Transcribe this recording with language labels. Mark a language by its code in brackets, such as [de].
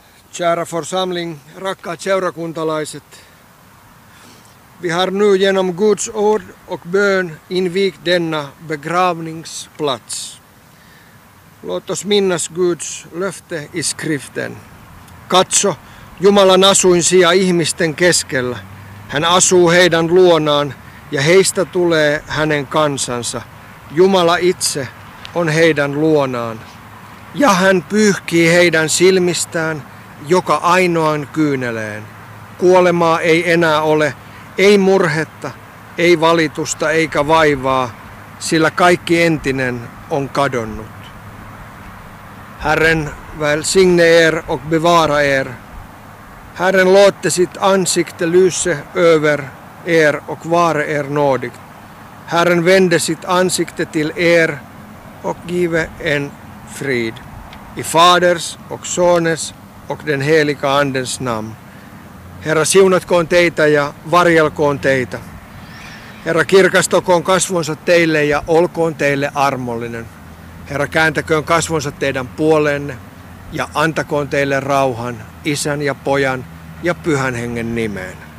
[sv] Kära församling, [fi] rakkaat seurakuntalaiset, [sv] vi har nu genom Guds ord och bön invigt denna begravningsplats. Låt oss minnas Guds löfte i skriften. [fi] Katso, Jumalan asuinsija ihmisten keskellä. Hän asuu heidän luonaan ja heistä tulee hänen kansansa. Jumala itse on heidän luonaan. Ja hän pyyhkii heidän silmistään joka ainoan kyyneleen. Kuolemaa ei enää ole. Ei murhetta, ei valitusta eikä vaivaa, sillä kaikki entinen on kadonnut. [sv] Herren välsigne er och bevara er. Herren låtte sitt ansikte lyse över er och vare er nådig. Herren vände sitt ansikte till er och give en frid. I faders och sones och den heliga andens namn. [fi] Herra, siunatkoon teitä ja varjelkoon teitä. Herra, kirkastakoon kasvonsa teille ja olkoon teille armollinen. Herra, kääntäköön kasvonsa teidän puoleenne ja antakoon teille rauhan Isän ja Pojan ja Pyhän Hengen nimeen.